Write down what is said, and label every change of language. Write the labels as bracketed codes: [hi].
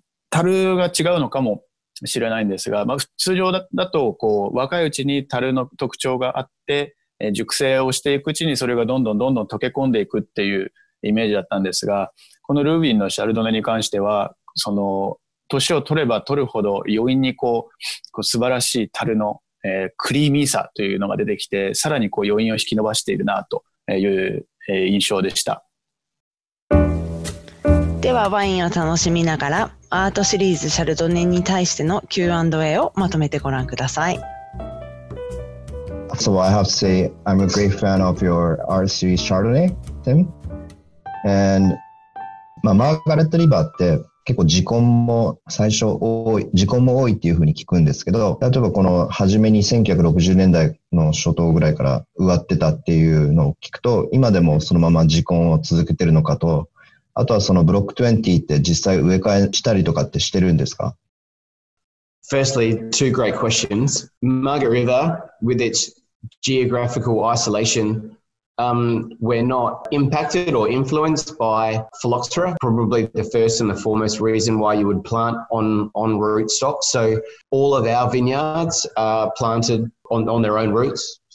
[ja] 樽が違うのかもしれないんですが、通常だと、こう、若いうちに樽の特徴があって、熟成をしていくうちにそれがどんどんどんどん溶け込んでいくっていうイメージだったんですが、このルーウィンのシャルドネに関しては、年を取れば取るほど余韻にこう素晴らしい樽の、クリーミーさというのが出てきて、さらにこう余韻を引き伸ばしているなという印象でした。ではワインを楽しみながらアートシリーズシャルドネに対しての Q&A をまとめてご覧ください。 [en] First of all, I have to say I'm a great fan of your art series Chardonnay, Tim. [ja] And まあ、マーガレット・リヴァーって結構時根も最初多い、時根も多いっていう風に聞くんですけど、例えばこの初めに1960年代の初頭ぐらいから植わってたっていうのを聞くと、今でもそのまま時根を続けてるのかと、あとはそのブロック20って実際植え替えしたりとかってしてるんですか？ [en] Firstly, two great questions. Margaret River, with its geographical isolation,we're not impacted or influenced by phylloxera, probably the first and the foremost reason why you would plant on rootstock. So all of our vineyards are planted on their own roots.